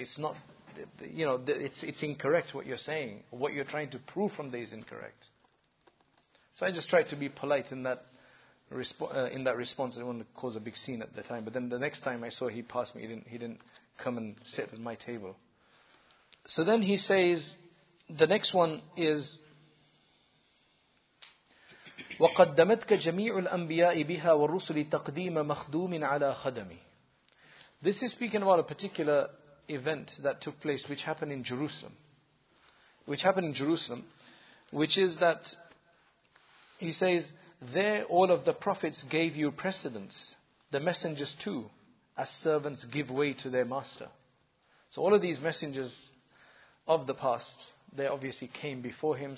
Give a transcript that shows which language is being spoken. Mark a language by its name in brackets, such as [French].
[English] It's not, you know, it's incorrect what you're saying. What you're trying to prove from there is incorrect. So I just tried to be polite in that response. I didn't want to cause a big scene at the time. But then the next time I saw he passed me, he didn't come and sit at my table. So then he says, the next one is, [Arabic] وَقَدَّمَتْكَ جَمِيعُ الْأَنْبِيَاءِ بِهَا وَالرُّسُلِ تَقْدِيمَ مَخْدُومٍ عَلَىٰ خَدَمِي. [English] This is speaking about a particular event that took place, which happened in Jerusalem, which is that, he says, there all of the prophets gave you precedence, the messengers too, as servants give way to their master. So all of these messengers of the past, they obviously came before him.